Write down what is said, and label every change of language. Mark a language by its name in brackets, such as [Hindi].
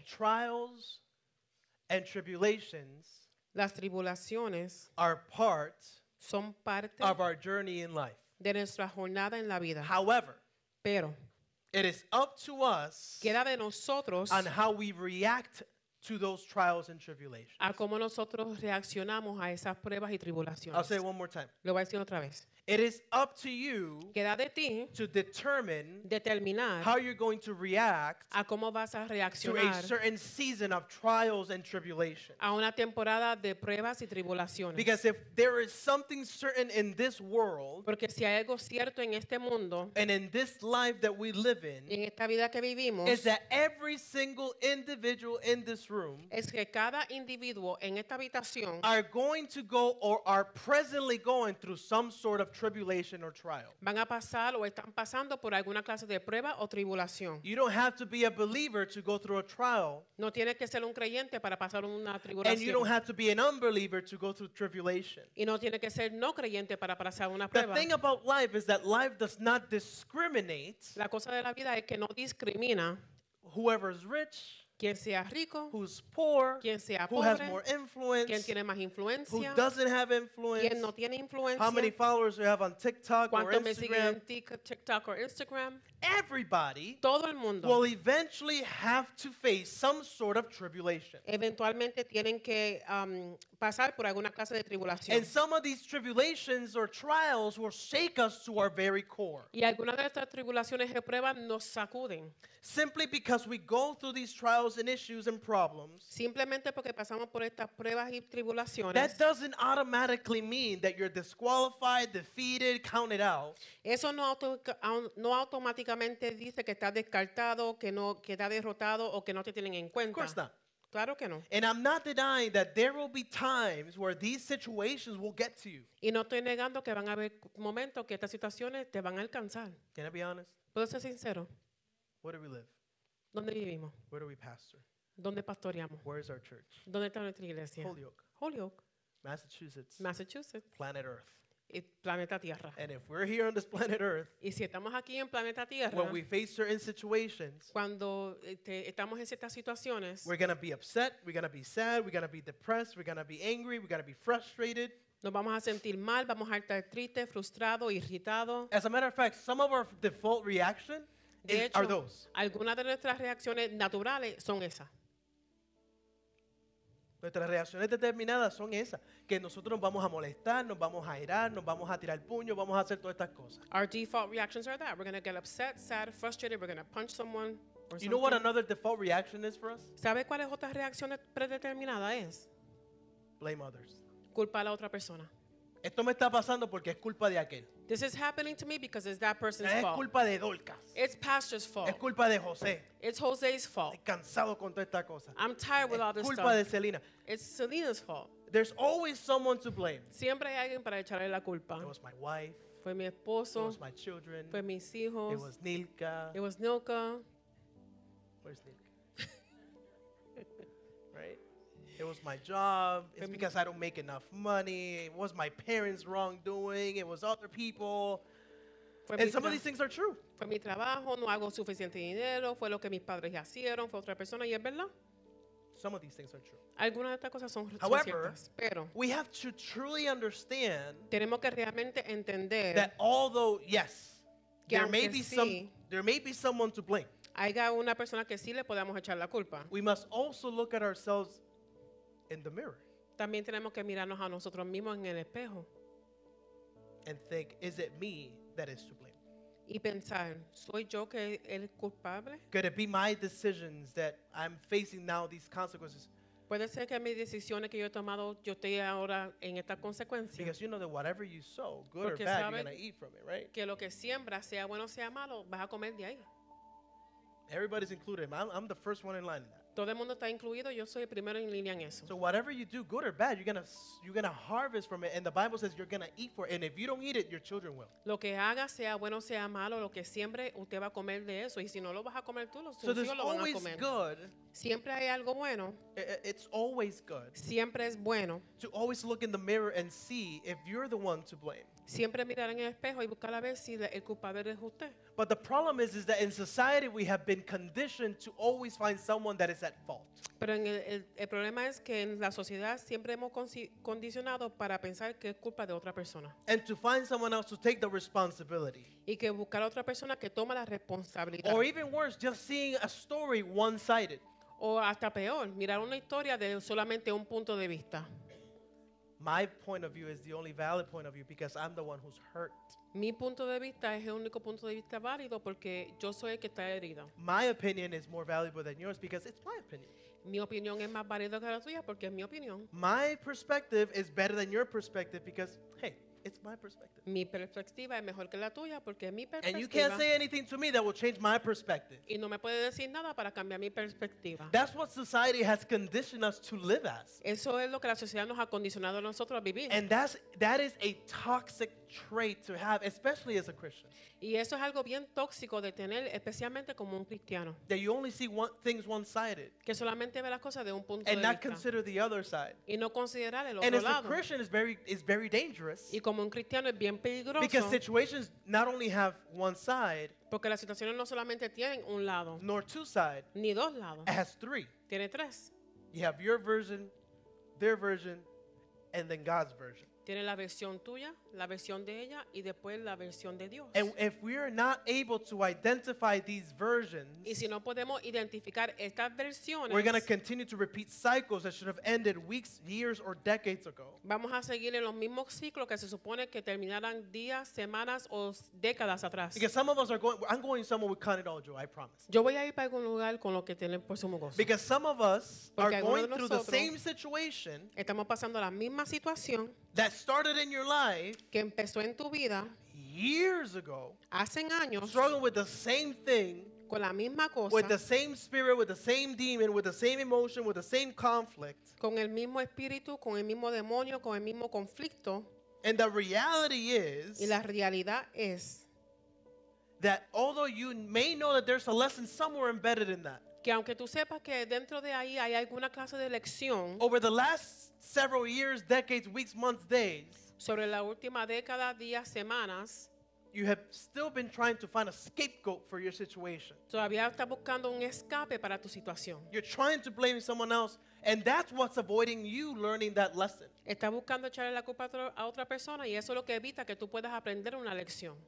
[English] Trials and tribulations. [Spanish] Las tribulaciones. [English] Are part. [Spanish] Son parte [English] of our journey in life. [Spanish] De nuestra jornada en la vida. [English] However, [Spanish] pero, [English] it is up to us [Spanish] queda de nosotros [English] on how we react to those trials and tribulations. [Spanish] A cómo nosotros reaccionamos a esas pruebas y tribulaciones. [English] I'll say it one more time. [Spanish] Lo voy a decir otra vez. [English] It is up to you [Spanish] queda de ti [English] to determine [Spanish] determinar [English] how you're going to react [Spanish] a cómo vas a reaccionar [English] to a certain season of trials and tribulations. [Spanish] A una temporada de pruebas y tribulaciones. [English] Because if there is something certain in this world, [Spanish] porque si hay algo cierto en este mundo, [English] and in this life that we live in, [Spanish] y en esta vida que vivimos, [English] is that every single individual in this room [Spanish] es que cada individuo en esta habitación [English] are going to go or are presently going through some sort of tribulation or trial. [Spanish] Van a pasar o están pasando por alguna clase de prueba o tribulación. [English] You don't have to be a believer to go through a trial. [Spanish] No tienes que ser un creyente para pasar una tribulación. [English] And you don't have to be an unbeliever to go through tribulation. [Spanish] Y no tienes que ser no creyente para pasar una prueba. [English] The thing about life is that life does not discriminate. [Spanish] La cosa de la vida es que no discrimina. [English] Whoever is rich, [Spanish] quien sea rico, [English] who's poor, [Spanish] quien sea [English] who [Spanish] pobre, [English] has more influence, [Spanish] quien tiene más influencia, [English] who doesn't have influence, [Spanish] quien no tiene influencia, [English] how many followers you have on TikTok or Instagram, [Spanish] me siguen en TikTok or Instagram. [English] Everybody [Spanish] todo el mundo [English] will eventually have to face some sort of tribulation. [Spanish] Eventualmente tienen que, pasar por alguna clase de tribulación. [English] And some of these tribulations or trials will shake us to our very core. [Spanish] Y algunas de estas tribulaciones y pruebas nos sacuden. [English] Simply because we go through these trials and issues and problems, [Spanish] simplemente porque pasamos por estas pruebas y tribulaciones, [English] that doesn't automatically mean that you're disqualified, defeated, counted out. [Spanish] Eso no automáticamente dice que estás descartado, que no, que estás derrotado o que no te tienen en cuenta. [English] Of course not. [Spanish] Claro que no. [English] And I'm not denying that there will be times where these situations will get to you. [Spanish] Y no estoy negando que van a haber momentos que estas situaciones te van a alcanzar. [English] Can I be honest? [Spanish] ¿Puedo ser sincero? [English] Where do we live? [Spanish] ¿Dónde vivimos? [English] Where do we pastor? [Spanish] ¿Dónde pastoreamos? [English] Where is our church? [Spanish] ¿Dónde está nuestra iglesia? [English] Holyoke. [Spanish] Holyoke. [English] Massachusetts. [Spanish] Massachusetts. [English] Planet Earth. [Spanish] Y planeta Tierra. [English] And if we're here on this planet Earth, [Spanish] y si estamos aquí en planeta Tierra, [English] when we face certain situations, [Spanish] cuando estamos en ciertas situaciones, [English] we're going to be upset, we're going to be sad, we're going to be depressed, we're going to be angry, we're going to be frustrated. [Spanish] Nos vamos a sentir mal, vamos a estar triste, frustrado, irritado. [English] As a matter of fact, some of our default reaction [Spanish] de hecho, [English] are those. [Spanish] Algunas de nuestras reacciones naturales son esas. Nuestras reacciones determinadas son esas, que nosotros nos vamos a molestar, nos vamos a airar, nos vamos a tirar el puño, vamos a hacer todas estas cosas. [English] Our default reactions are that. We're going to get upset, sad, frustrated, we're going to punch someone or something. You know what another default reaction is for us? [Spanish] ¿Sabe cuál es otra reacción predeterminada es? [English] Blame others. [Spanish] Culpa a la otra persona. Esto me está pasando porque es culpa de aquel. [English] This is happening to me because it's that person's [Spanish] es [English] fault. [Spanish] Es culpa de Dorcas. [English] It's pastor's fault. [Spanish] Es culpa de José. [English] It's Jose's fault. [Spanish] Estoy cansado con toda esta cosa. [English] I'm tired with all this stuff. [Spanish] Es culpa de Selena. [English] It's Selena's fault. There's always someone to blame. [Spanish] Siempre hay alguien para echarle la culpa. [English] It was my wife. [Spanish] Fue mi esposo. [English] It was my children. [Spanish] Fue mis hijos. [English] It was Nilka. It was Nilka. Where's Nilka? Right? It was my job. It's because I don't make enough money. It was my parents' wrongdoing. It was other people. And some of these things are true. [Spanish] Fue mi trabajo, no hago suficiente dinero. Fue lo que mis padres hicieron. Fue otra persona. ¿Y es verdad? [English] Some of these things are true. [Spanish] Algunas de estas cosas son ciertas. [English] However, we have to truly understand. [Spanish] Tenemos que realmente entender [English] that although yes, there may be some, there may be someone to blame. [Spanish] Haya una persona que sí le podamos echar la culpa. [English] We must also look at ourselves. In the mirror. [Spanish] También tenemos que mirarnos a nosotros mismos en el espejo. [English] And think, is it me that is to blame? [Spanish] Y pensar, ¿soy yo que el culpable? [English] Could it be my decisions that I'm facing now these consequences? [Spanish] Puede ser que mis decisiones que yo he tomado, yo estoy ahora en esta consecuencia. [English] Because you know that whatever you sow, good [Spanish] Porque [English] or bad, you're going to eat from it, right? [Spanish] Que lo que siembra, sea bueno o sea malo, vas a comer de ahí. [English] Everybody's included. I'm the first one in line in that. [Spanish] Todo el mundo está incluido. Yo soy el primero en línea en eso. [English] So whatever you do, good or bad, you're gonna harvest from it. And the Bible says you're gonna eat for it. And if you don't eat it, your children will. [Spanish] Lo que haga, sea bueno, sea malo, lo que siembre, usted va a comer de eso. Y si no lo vas a comer tú, los hijos lo van a comer. [English] Good. [Spanish] Siempre hay algo bueno. [English] It's always good. [Spanish] Siempre es bueno. [English] To always look in the mirror and see if you're the one to blame. [Spanish] Siempre mirar en el espejo y buscar a ver si el culpable es usted. [English] But the problem is that in society we have been conditioned to always find someone that is at fault. [Spanish] Pero el problema es que en la sociedad siempre hemos condicionado para pensar que es culpa de otra persona. [English] And to find someone else to take the responsibility. [Spanish] Y que buscar a otra persona que toma la responsabilidad. [English] Or even worse, just seeing a story one-sided. [Spanish] O hasta peor, mirar una historia de solamente un punto de vista. [English] My point of view is the only valid point of view because I'm the one who's hurt. [Spanish] Mi punto de vista es el único punto de vista válido porque yo soy el que está herido. [English] My opinion is more valuable than yours because it's my opinion. [Spanish] Mi opinión es más válida que la tuya porque es mi opinión. [English] My perspective is better than your perspective because, hey, it's my perspective. [Spanish] Mi perspectiva es mejor que la tuya porque es mi perspectiva. [English] And you can't say anything to me that will change my perspective. [Spanish] Y no me puedes decir nada para cambiar mi perspectiva. [English] That's what society has conditioned us to live as. [Spanish] Eso es lo que la sociedad nos ha condicionado a nosotros a vivir. [English] And that is a toxic trait to have, especially as a Christian. [Spanish] Y eso es algo bien tóxico de tener, especialmente como un cristiano. [English] That you only see things one-sided. [Spanish] Que solamente ve las cosas de un punto de vista. [English] And not consider the other side. [Spanish] Y no considerar el otro lado. [English] And as a Christian, it's very dangerous. [Spanish] Y como un cristiano es bien peligroso. [English] Because situations not only have one side. [Spanish] Porque las situaciones no solamente tienen un lado. [English] Nor two sides. [Spanish] Ni dos lados. [English] It has three. [Spanish] Tiene tres. [English] You have your version, their version, and then God's version. [Spanish] Tiene la versión tuya, la versión de ella, y después la versión de Dios. [English] And if we are not able to identify these versions, [Spanish] y si no podemos identificar estas versiones, [English] we're going to continue to repeat cycles that should have ended weeks, years, or decades ago. [Spanish] Vamos a seguir en los mismos ciclos que se supone que terminaran días, semanas, o décadas atrás. [English] Because some of us are going, I'm going somewhere with Con It All Joe, I promise. [Spanish] Yo voy a ir para algún lugar con lo que tienen por sumo gozo. [English] Because some of us [Spanish] Porque [English] are going through the same situation, [Spanish] estamos pasando la misma situación, [English] that started in your life [Spanish] que empezó en tu vida [English] years ago, [Spanish] hace años, [English] struggling with the same thing, [Spanish] con la misma cosa, [English] with the same spirit, with the same demon, with the same emotion, with the same conflict. [Spanish] Con el mismo espíritu, con el mismo demonio, con el mismo conflicto. [English] And the reality is, [Spanish] y la realidad es, [English] that although you may know that there's a lesson somewhere embedded in that, [Spanish] que aunque tú sepas que dentro de ahí hay alguna clase de lección, [English] over the last several years, decades, weeks, months, days, [Spanish] sobre la última década, días, semanas, [English] you have still been trying to find a scapegoat for your situation. [Spanish] Todavía está buscando un escape para tu situación. [English] You're trying to blame someone else, and that's what's avoiding you learning that lesson. [Spanish] Está buscando echarle la culpa a otra persona, y eso es lo que evita que tú puedas aprender una lección.